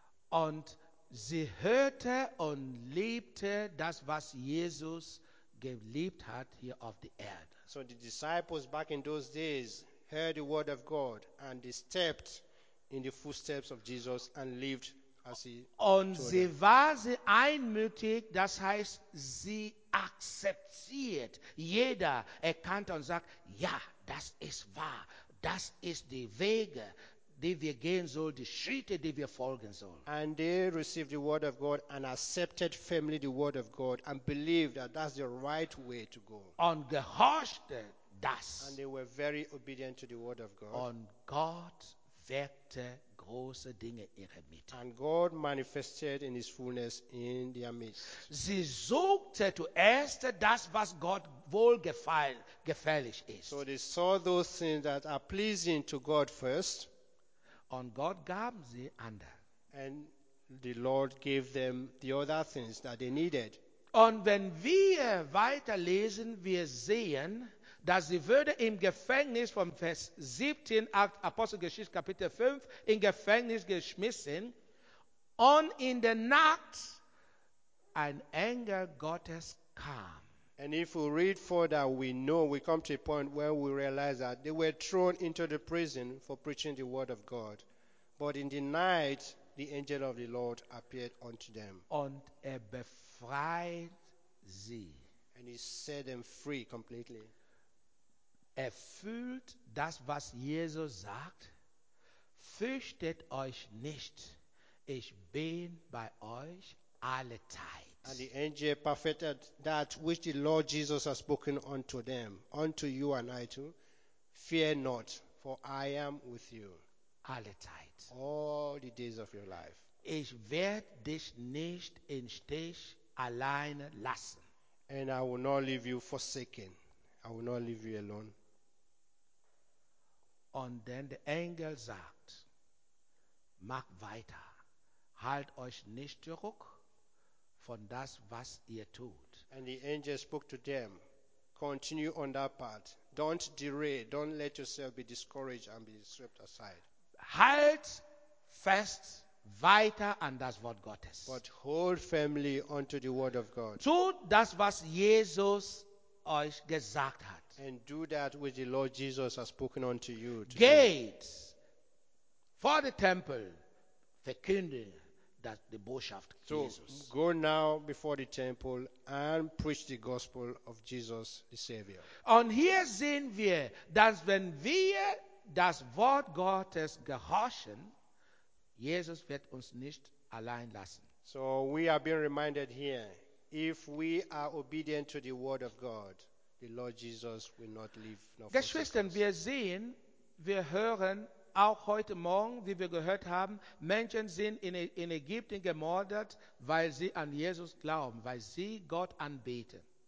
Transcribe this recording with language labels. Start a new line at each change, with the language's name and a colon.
German: Und sie hörte und liebte das, was Jesus geliebt hat hier auf der Erde.
English: So the disciples back in those days heard the word of God and they stepped in the footsteps of Jesus and lived.
German: Und sie war sie einmütig, das heißt, sie akzeptiert. Jeder erkannte und sagt, ja, das ist wahr. Das ist die Wege, die wir gehen sollen, die Schritte, die wir folgen sollen.
English: And they received the word of God and accepted firmly the word of God and believed that that's the right way to go.
German: Und gehorchte das.
English: And they were very obedient to the word of God.
German: Und Gott wirkte große Dinge in ihrer Mitte.
English: And God manifested in his fullness in their midst.
German: Sie suchte zuerst das, was Gott wohlgefällig ist.
English: So they saw those things that are pleasing to God first.
German: Und Gott gab sie andere.
English: And the Lord gave them the other things that they needed.
German: Und wenn wir weiterlesen, wir sehen, dass sie würde im Gefängnis von Vers 17, Apostelgeschichte Kapitel 5, in Gefängnis geschmissen und in der Nacht ein Engel Gottes kam.
English: And if we read further, we know, we come to a point where we realize that they were thrown into the prison for preaching the word of God. But in the night, the angel of the Lord appeared unto them.
German: Und befreit sie.
English: And he set them free completely.
German: Erfüllt das, was Jesus sagt. Fürchtet euch nicht. Ich bin bei euch alle Zeit.
English: And the angel perfected that which the Lord Jesus has spoken unto them, unto you and I too. Fear not, for I am with you.
German: alle Zeit.
English: All the days of your life.
German: Ich werde dich nicht im Stich alleine lassen.
English: And I will not leave you forsaken. I will not leave you alone.
German: Und dann der Engel sagt, mach weiter. Halt euch nicht zurück von das, was ihr tut.
English: And the angel spoke to them, continue on that path. Don't derail. Don't let yourself be discouraged and be swept aside.
German: Halt fest weiter an das Wort Gottes.
English: But hold firmly unto the word of God.
German: Tut das, was Jesus euch gesagt hat.
English: And do that which the Lord Jesus has spoken unto you. Gates for the temple, verkünde that the Botschaft so Jesus. Go now before the temple and preach the gospel of Jesus the Savior.
German: Und hier sehen wir, dass wenn wir das Wort Gottes gehorchen, Jesus wird uns nicht allein lassen.
English: So we are being reminded here, if we are obedient to the word of God, the Lord Jesus will not leave nor forsake us.
German: Geschwister, wir sehen, wir hören auch heute Morgen, wie wir gehört haben, Menschen sind in Ägypten gemordet, weil sie an Jesus glauben, weil sie Gott anbeten.